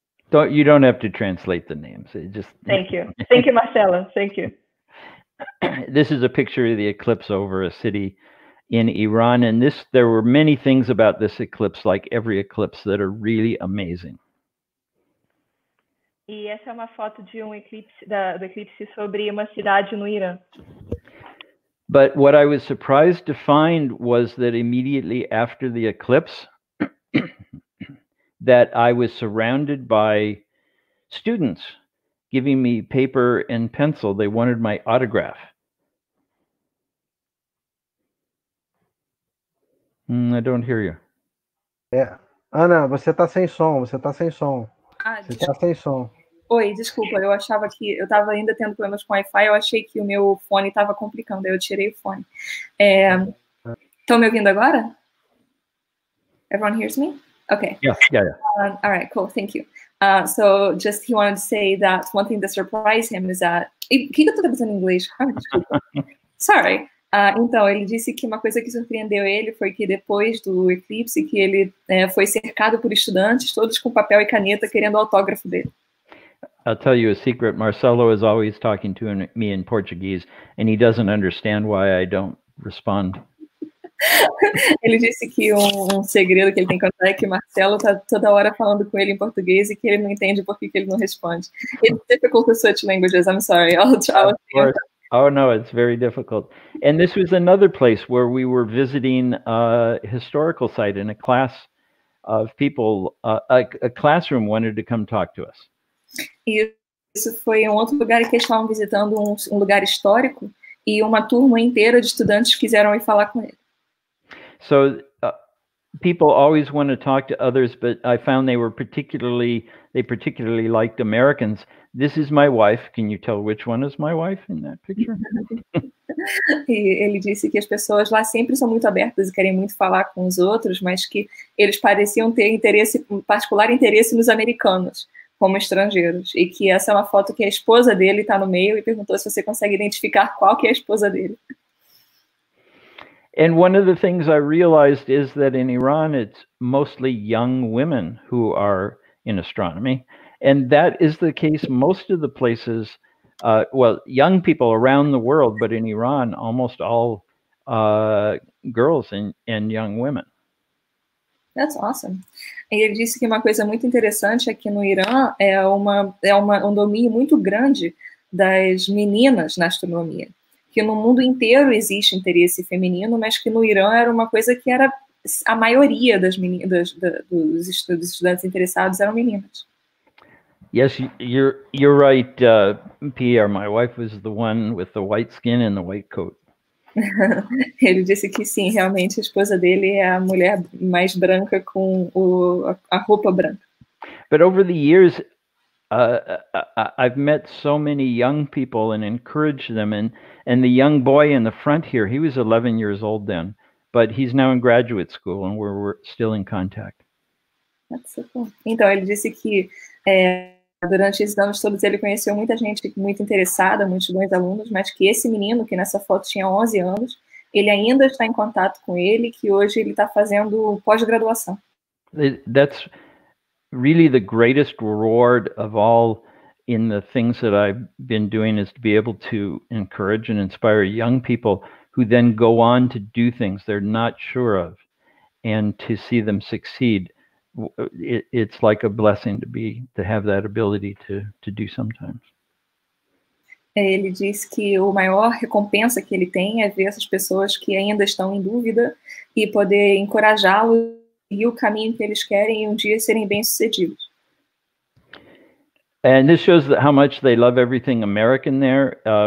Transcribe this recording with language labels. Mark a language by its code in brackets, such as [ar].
[en] Don't, you don't have to translate the names. It just... Thank you. Thank you, Marcelo. Thank you. This is a picture of the eclipse over a city in Iran. And this, there were many things about this eclipse, like every eclipse, that are really amazing. [pt] E essa é uma foto de um eclipse, do eclipse sobre uma cidade no Irã. [en] But what I was surprised to find was that immediately after the eclipse, that I was surrounded by students giving me paper and pencil. They wanted my autograph. I don't hear you. Yeah. [pt] Ana, você tá sem som, você tá sem som. Ah, você tá sem som. Oi, desculpa, eu achava que eu estava ainda tendo problemas com Wi-Fi, eu achei que o meu fone estava complicando, aí eu tirei o fone. Estão me ouvindo agora? [en] Everyone hears me? Okay. Yeah. All right, cool, thank you. So just he wanted to say that one thing that surprised him is that... [pt] Que eu estou fazendo em inglês? [en] Sorry. [pt] Então, ele disse que uma coisa que surpreendeu ele foi que depois do eclipse, que ele foi cercado por estudantes, todos com papel e caneta, querendo o autógrafo dele. [en] I'll tell you a secret. Marcelo is always talking to me in Portuguese, and he doesn't understand why I don't respond. [pt] Ele disse que um segredo que ele tem que contar é que Marcelo está toda hora falando com ele em português e que ele não entende por que ele não responde. [en] It's difficult to switch languages. I'm sorry. Oh, no, it's very difficult. And this was another place where we were visiting a historical site in a class of people. A classroom wanted to come talk to us. [pt] Isso foi um outro lugar que eles estavam visitando um lugar histórico e uma turma inteira de estudantes quiseram ir falar com ele. [en] So people always want to talk to others, but I found they particularly liked Americans. This is my wife. Can you tell which one is my wife in that picture? [pt] E ele disse que as pessoas lá sempre são muito abertas e querem muito falar com os outros, mas que eles pareciam ter interesse, particular interesse nos americanos. Como estrangeiros, e que essa é uma foto que a esposa dele está no meio e perguntou se você consegue identificar qual que é a esposa dele. [en] And one of the things I realized is that in Iran it's mostly young women who are in astronomy, and that is the case most of the places, well, young people around the world, but in Iran almost all girls and young women. That's awesome. [pt] Ele disse que uma coisa muito interessante é que no Irã um domínio muito grande das meninas na astronomia. Que no mundo inteiro existe interesse feminino, mas que no Irã era uma coisa que era a maioria das meninas, dos estudantes interessados eram meninas. [en] Yes, you're right, Pierre. My wife was the one with the white skin and the white coat. [pt] Ele disse que sim, realmente a esposa dele é a mulher mais branca com a roupa branca. [en] But over the years, I've met so many young people and encouraged them. And the young boy in the front here, he was 11 years old then, but he's now in graduate school and we're still in contact. That's so cool. [pt] Então, ele disse que durante esses anos todos ele conheceu muita gente muito interessada, muitos bons alunos, mas que esse menino, que nessa foto tinha 11 anos, ele ainda está em contato com ele, que hoje ele está fazendo pós-graduação. [en] That's really the greatest reward of all in the things that I've been doing is to be able to encourage and inspire young people who then go on to do things they're not sure of and to see them succeed. It's like a blessing to have that ability to do sometimes. [pt] Ele disse que o maior recompensa que ele tem é ver essas pessoas que ainda estão em dúvida e poder encorajá-los e o caminho que eles querem e um dia serem bem-sucedidos. [en] And this shows how much they love everything American there.